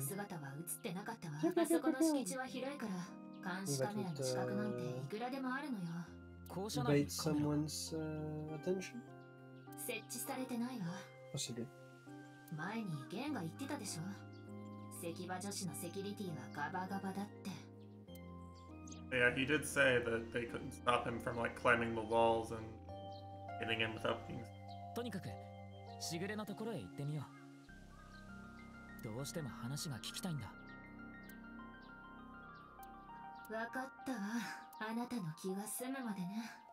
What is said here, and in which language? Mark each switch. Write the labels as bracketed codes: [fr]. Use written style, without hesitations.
[ja] 姿は映ってなかったわ。あそこの敷地は広いから、監視カメラの近くなんていくらでもあるのよ。 [en] Bait someone's attention? [ja] 設置されてないわ。 [en] Possibly. [ja] 前にゲンが言ってたでしょ。石場女子のセキュリティはガバガバだって。 [en] Yeah, he did say that they couldn't stop him from like climbing the walls and getting in without being. [ja] とにかく、シグレのところへ行ってみよう。どうしても話が聞きたいんだ。わかったわ。あなたの気が済むまでね。